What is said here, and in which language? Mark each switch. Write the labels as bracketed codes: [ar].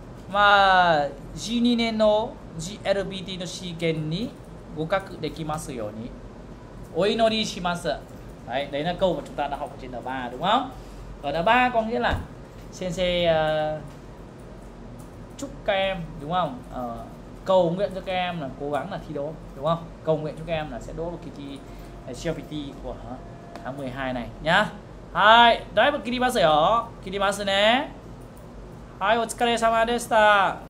[ja] Ma 12 年の GLBT の試験に合格できますようにお祈りします。 [vi] はい、đấy là câu mà chúng ta đã học trên đợt 3 đúng không? Ở đợt 3 có nghĩa là Sensei chúc các em đúng không? Cầu nguyện cho các em là cố gắng là thi đấu đúng không? Cầu nguyện cho các em là sẽ đỗ được kỳ thi CLPT của tháng 12 này nhá. [ja] Hai, だいぶ切りますよ。切りますね。はい、お疲れ様でした。